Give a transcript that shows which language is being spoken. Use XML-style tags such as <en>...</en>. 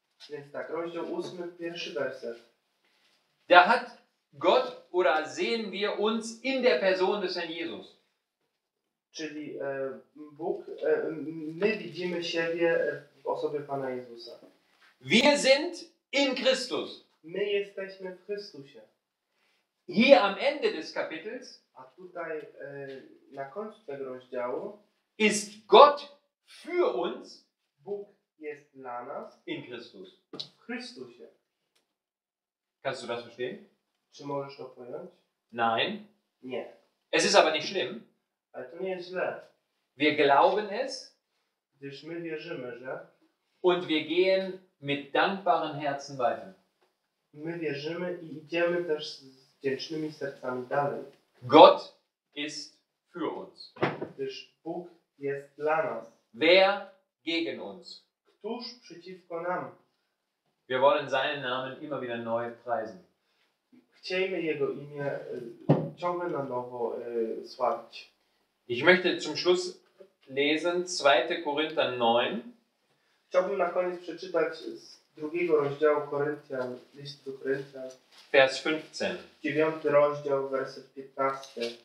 <pl>Więc tak, rozdział 8, pierwszy werset.</pl> <de>Da hat Gott, oder sehen wir uns in der Person des Herrn Jesus.</de> <pl>Czyli Bóg, my widzimy siebie w osobie Pana Jezusa.</pl> <de>Wir sind in Christus.</de> <pl>My jesteśmy w Chrystusie.</pl> <de>Hier am Ende des Kapitels,</de> <pl>a tutaj na końcu tego rozdziału,</pl> <de>ist Gott für uns,</de> <pl>Bóg jest dla nas,</pl> <de>in Christus.</de> <pl>W Chrystusie.</pl> <de>Kannst du das verstehen?</de> <pl>Czy możesz to pojąć?</pl> <de>Nein.</de> <pl>Nie.</pl> <de>Es ist aber nicht schlimm.</de> <pl>Ale to nie jest źle.</pl> <de>Wir glauben es,</de> <pl>gdyż my wierzymy, że,</pl> <de>und wir gehen mit dankbaren Herzen weiter.</de> <pl>My wierzymy i idziemy też z wdzięcznymi sercami dalej.</pl> <de>Gott ist für uns.</de> <pl>Gdyż Bóg jest dla nas.</pl> <de>Wer gegen uns?</de> <pl>Któż przeciwko nam?</pl> <de>Wir wollen seinen Namen immer wieder neu preisen.</de> <pl>Chciejmy Jego imię ciągle na nowo sławić.</pl> <de>Ich möchte zum Schluss lesen 2. Korinther 9.</de> <pl>Chciałbym na koniec przeczytać drugiego rozdziału Koryntian, list do Koryntian,</pl> <de>vers 15.</de> <pl>9 rozdział, werset 15.</pl>